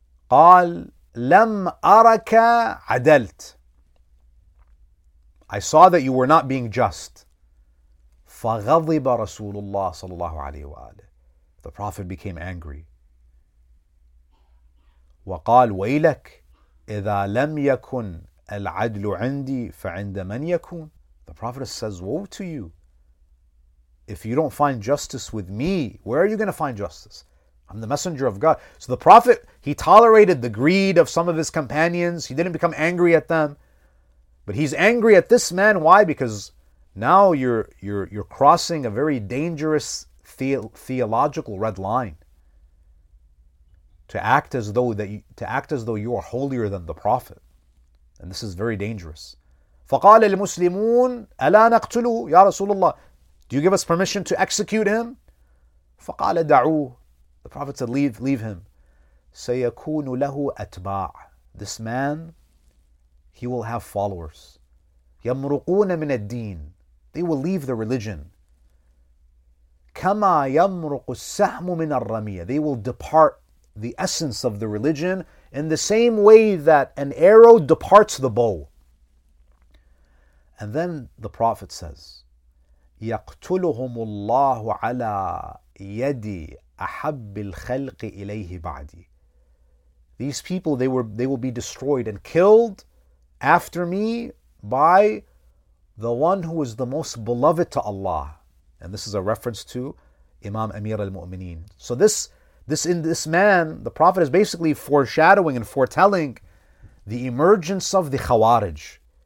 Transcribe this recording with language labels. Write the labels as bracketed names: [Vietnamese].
[Arabic] قال لم أرك عدلت. [English] I saw that you were not being just. [Arabic] فغضب رسول الله صلى الله عليه وآله. [English] The Prophet became angry. [Arabic] وقال ويلك إذا لم يكن العدل عندي فعند من يكون. [English] The Prophet says, "Woe to you! If you don't find justice with me, where are you going to find justice? I'm the messenger of God." So the Prophet, he tolerated the greed of some of his companions. He didn't become angry at them. But he's angry at this man. Why? Because now you're crossing a very dangerous theological red line. To act as though you are holier than the Prophet. And this is very dangerous. [Arabic] فَقَالَ الْمُسْلِمُونَ أَلَا نَقْتُلُهُ يَا رَسُولُ اللَّهِ. [English] Do you give us permission to execute him? [Arabic] فَقَالَ دَعُوهُ. [English] The Prophet said, leave him. [Arabic] سَيَكُونُ لَهُ أَتْبَاعُ. [English] This man, he will have followers. [Arabic] يَمْرُقُونَ مِنَ الدِّينِ. [English] They will leave the religion. [Arabic] كَمَا يَمْرُقُ السَّحْمُ مِنَ الرَّمِيَةِ. [English] They will depart the essence of the religion in the same way that an arrow departs the bow. And then the Prophet says, [Arabic] يَقْتُلُهُمُ اللَّهُ عَلَىٰ يَدِي أَحَبِّ الْخَلْقِ إِلَيْهِ بَعْدِ. [English] These people, they will be destroyed and killed after me by the one who is the most beloved to Allah. And this is a reference to Imam Amir al-Mu'mineen. So this man, the Prophet is basically foreshadowing and foretelling the emergence of the Khawarij.